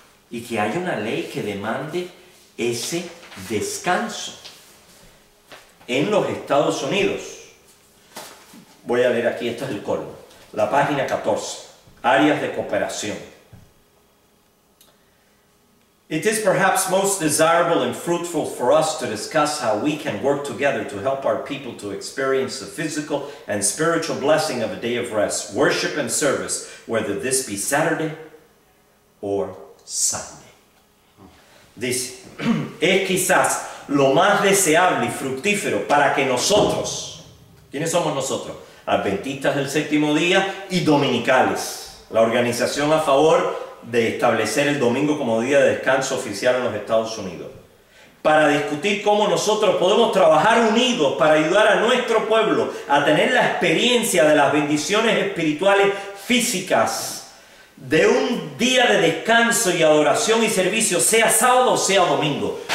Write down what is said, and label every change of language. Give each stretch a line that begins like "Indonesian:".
Spanish: Y que haya una ley que demande ese descanso en los Estados Unidos. Voy a leer aquí, este es el colmo. La página 14, áreas de cooperación.
English: It is perhaps most desirable and fruitful for us to discuss how we can work together to help our people to experience the physical and spiritual blessing of a day of rest, worship and service, whether this be Saturday or Sunday.
Spanish: Dice, es quizás lo más deseable y fructífero para que nosotros, ¿quiénes somos nosotros? Adventistas del séptimo día y dominicales, la organización a favor de establecer el domingo como día de descanso oficial en los Estados Unidos, para discutir cómo nosotros podemos trabajar unidos para ayudar a nuestro pueblo a tener la experiencia de las bendiciones espirituales físicas de un día de descanso y adoración y servicio, sea sábado o sea domingo.